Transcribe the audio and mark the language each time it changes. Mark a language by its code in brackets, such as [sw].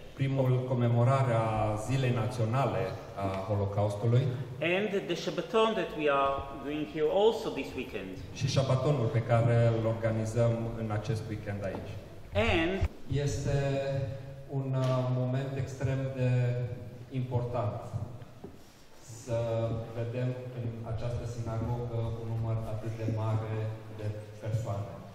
[ro] Primul, comemorarea zilei naționale a Holocaustului. [en] And the Shabbaton that we are doing here also this weekend. [ro] Și Shabbatonul pe care îl organizăm în acest weekend aici. [en] And [ro] este un moment extrem de important să vedem în această sinagogă un număr atât de mare de persoane.